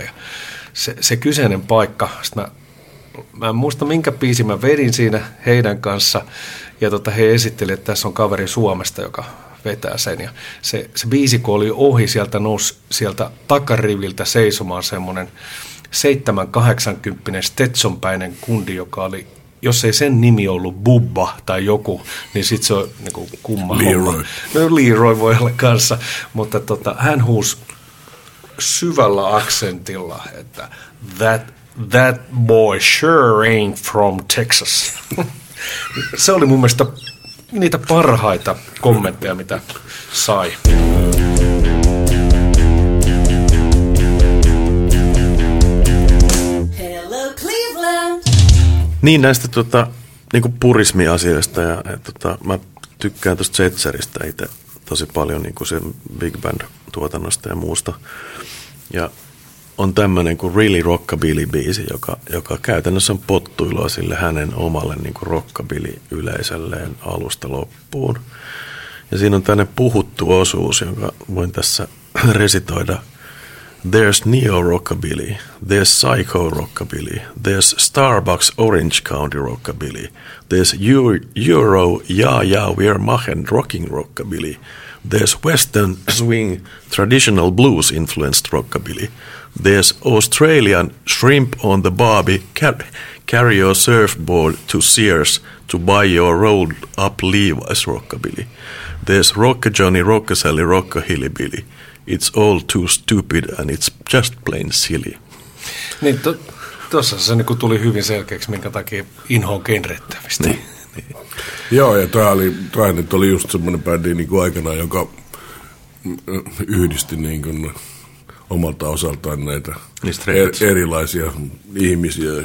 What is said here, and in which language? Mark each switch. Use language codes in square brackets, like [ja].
[fi] Ja se kyseinen paikka, sitten mä en muista, minkä biisin mä vedin siinä heidän kanssa, ja he esitteli, että tässä on kaveri Suomesta, joka vetää sen, ja se biisi, kun oli ohi, sieltä nousi sieltä takariviltä seisomaan semmoinen 70-80 stetsonpäinen kundi, joka oli, jos ei sen nimi ollut Bubba tai joku, niin sit se on niinku kumma Leroy. No Leroy voi olla kanssa, mutta hän huusi syvällä aksentilla, että that [en] that boy sure ain't from Texas. [fi] Se oli mun mielestä niitä parhaita kommentteja, mitä sai. [en] Hello Cleveland. [fi] Niin näistä niinku purismiasioista ja mä tykkään tosta Zetzeristä itse tosi paljon niinku sen big band tuotannosta ja muusta. Ja on tämmöinen kuin Really Rockabilly-biisi, joka käytännössä on pottuilua sille hänen omalle niin kuin rockabilly-yleisölleen alusta loppuun. Ja siinä on tämmöinen puhuttu osuus, jonka voin tässä resitoida. [en] There's neo-rockabilly, there's psycho-rockabilly, there's Starbucks Orange County rockabilly, there's Euro, yeah, we're machen rocking rockabilly, there's Western swing traditional blues-influenced rockabilly, there's Australian shrimp on the barbie, carry your surfboard to Sears to buy your rolled up Levi's rockabilly. There's Rocka Johnny, Rocka Sally, Rocka Hillybilly. It's all too stupid and it's just plain silly. [fi] Niin, tuossa se niin tuli hyvin selkeäksi, minkä takia inho on genreittävistä. Niin, niin. Joo, ja tämä oli just semmoinen bändi niin kuin aikanaan, joka yhdisti niin kuin omalta osaltaan näitä erilaisia ihmisiä.